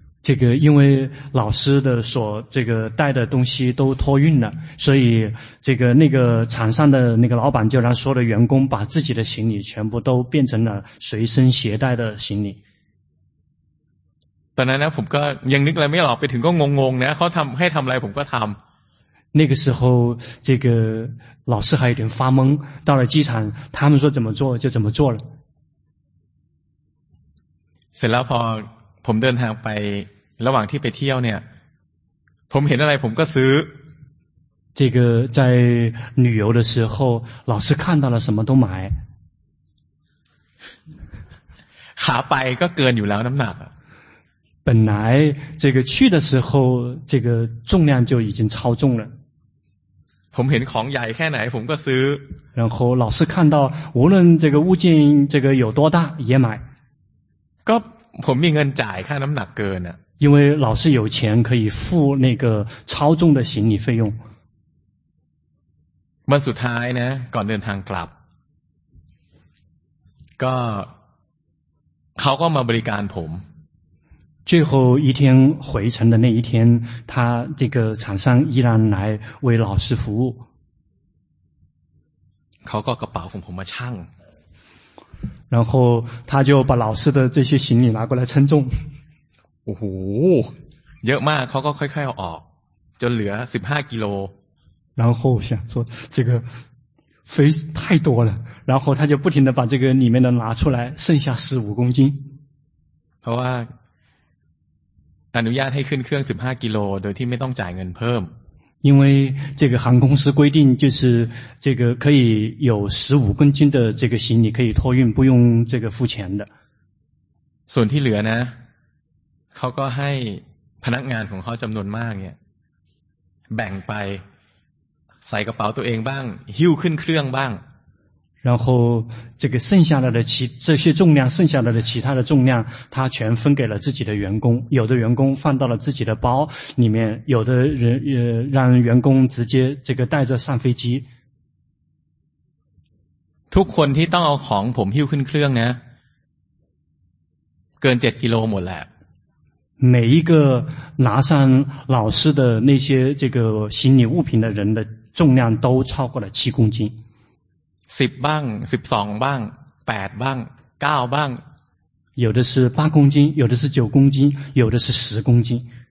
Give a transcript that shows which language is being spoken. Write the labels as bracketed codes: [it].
[zh] 这个因为老师的所这个带的东西都托运了所以这个那个场上的那个老板就让所有的员工把自己的行李全部都变成了随身携带的行李本来呢 [th] ผมก็ยังนึกอะไรไม่ออกไปถึงก็งงๆนะเขาทำให้ทำอะไรผมก็ทำ [zh] 那个时候这个老师还有点发懵到了机场他们说怎么做就怎么做了 [th] เสร็จแล้วพอผมเดินทางไประหว่างที่ไปเที่ยวเนี่ยผมเห็นอะไรผมก็ซื้อ [zh] 这个在旅游的时候老师看到了什么都买 [th] หาไปก็เกินอยู่แล้วน้ำหนัก [zh] 本来这个去的时候这个重量就已经超重了 [th] ผมเห็นของใหญ่แค่ไหนผมก็ซื้อ [zh] 然后老师看到无论这个物件这个有多大也买 [th] ก็ผมมีเงินจ่ายค่าน้ำหนักเกินอ่ะ [zh] 因为老师有钱可以付那个超重的行李费用 [th] วันสุดท้ายนะก่อนเดินทางกลับก็เขาก็มาบริการผม [zh] 最后一天回程的那一天他这个厂商依然来为老师服务 [th] เขาก็กระเป๋าของผมมาชั่ง [zh] 然后他就把老师的这些行李拿过来称重 [th] โอ้โหเยอะมากเขาก็ค่อยๆเอาออกจนเหลือ15กิโล [zh] 然后我想说这个飞太多了然后他就不停地把这个里面的拿出来剩下15公斤 [th] เพราะว่าอนุญาตให้ขึ้นเครื่อง15กิโลโดยที่ไม่ต้องจ่ายเงินเพิ่ม [zh] 因为这个航空公司规定就是这个可以有15公斤的这个行李可以托运不用这个付钱的 [th] ส่วนที่เหลือนะเขาก็ให้พนักงานของเขาจำนวนมากเนี่ยแบ่งไปใส่กระเป๋าตัวเองบ้างหิ้วขึ้นเครื่องบ้าง [zh] 然后这个剩下来的其这些重量剩下来的其他的重量他全分给了自己的员工有的员工放到了自己的包里面有的人让员工直接这个带着上飞机 [th] ทุกคนที่ต้องเอาของผมหิ้วขึ้นเครื่องนะเกิน7กิโลหมดแล้ว [zh] 每一个拿上老师的那些这个行李物品的人的重量都超过了7公斤 [th] 10บ้าง12บ้าง8บ้าง9บ้าง [zh] 有的是8公斤有的是9公斤有的是10公斤